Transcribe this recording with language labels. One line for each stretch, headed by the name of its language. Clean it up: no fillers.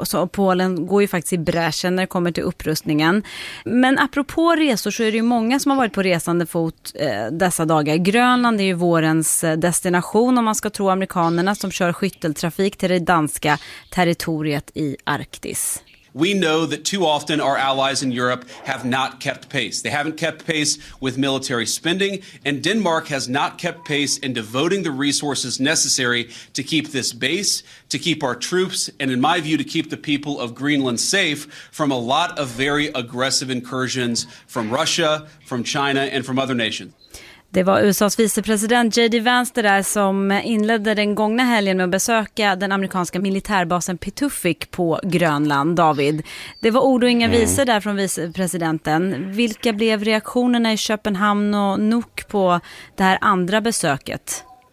Swedish: Så Polen går ju faktiskt i bräschen när det kommer till upprustningen. Men apropå resor så är det ju många som har varit på resande fot dessa dagar. Grönland är ju vårens destination om man ska tro amerikanerna som kör skytteltrafik till det danska territoriet i Arktis.
English: We know that too often our allies in Europe have not kept pace. They haven't kept pace with military spending, and Denmark has not kept pace in devoting the resources necessary to keep this base, to keep our troops, and in my view, to keep the people of Greenland safe from a lot of very aggressive incursions from Russia, from China, and from other nations.
Swedish: Det var USA:s vicepresident J.D. Vance det där som inledde den gångna helgen med att besöka den amerikanska militärbasen Pituffik på Grönland, David. Det var ord och inga visor där från vicepresidenten. Vilka blev reaktionerna i Köpenhamn och Nuuk på det här andra besöket?